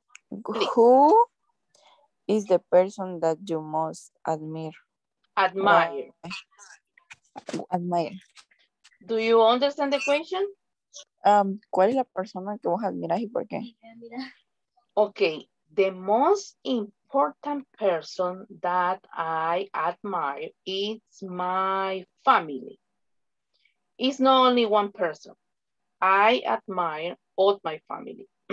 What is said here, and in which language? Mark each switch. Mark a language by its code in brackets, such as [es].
[en] Who is the person that you most admire? Admire. Do you understand the question? [es] ¿Cuál es la persona que vos admiras y por qué? [en] Okay, the most important person that I admire is my family. It's not only one person. I admire all my family.